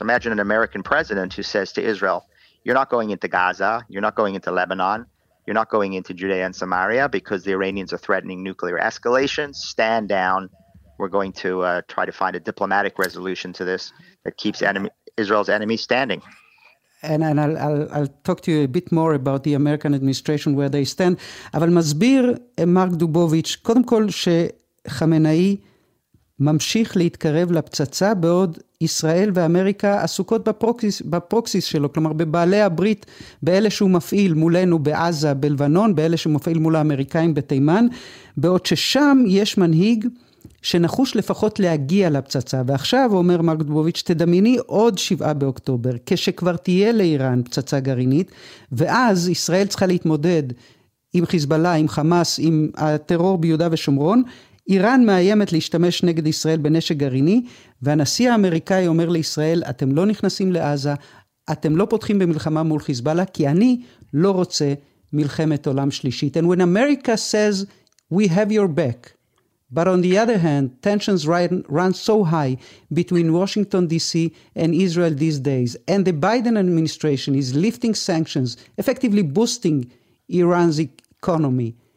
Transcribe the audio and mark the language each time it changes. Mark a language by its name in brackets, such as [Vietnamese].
[English] Imagine an American president who says to Israel, you're not going into Gaza, you're not going into Lebanon, you're not going into Judea and Samaria because the Iranians are threatening nuclear escalation. Stand down. We're going to try to find a diplomatic resolution to this that keeps Israel's enemies standing. And I'll talk to you a bit more about the American administration, where they stand. [Hebrew] אבל מסביר מרק דובוביץ', קודם כל שחמנאי ממשיך להתקרב לפצצה, בעוד ישראל ואמריקה עסוקות בפרוקסיס שלו, כלומר בבעלי הברית, באלה שהוא מפעיל מולנו בעזה, בלבנון, באלה שהוא מפעיל מול האמריקאים בתימן, בעוד ששם יש מנהיג שנחוש לפחות להגיע לפצצה. ועכשיו, אומר מרק דובוביץ', תדמייני עוד 7 באוקטובר, כשכבר תהיה לאיראן פצצה גרעינית, ואז ישראל צריכה להתמודד עם חיזבאללה, עם חמאס, עם הטרור ביהודה ושומרון, איראן מאיימת להשתמש נגד ישראל בנשק גרעיני, והנשיא האמריקאי אומר לישראל, אתם לא נכנסים לעזה, אתם לא פותחים במלחמה מול חיזבאללה, כי אני לא רוצה מלחמת עולם שלישית. [English] And when America says, we have your back, but on the other hand, tensions run so high between Washington, D.C. and Israel these days, and the Biden administration is lifting sanctions, effectively boosting Iran's economy.